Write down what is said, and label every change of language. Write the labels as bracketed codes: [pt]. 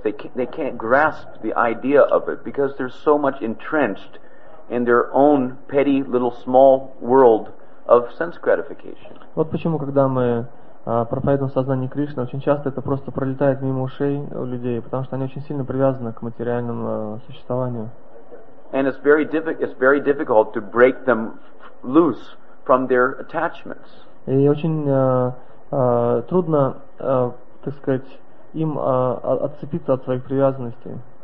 [en] They can't grasp the idea of it because they're so much entrenched in their own petty little small world of sense gratification. [ru] Вот почему, когда мы проповедуем сознание Кришны, очень часто это просто пролетает мимо ушей у людей, потому что они очень сильно привязаны к материальному существованию. [en] And it's very difficult to break them loose from their attachments. [ru] И очень трудно, так сказать, им отцепиться от своих привязанностей.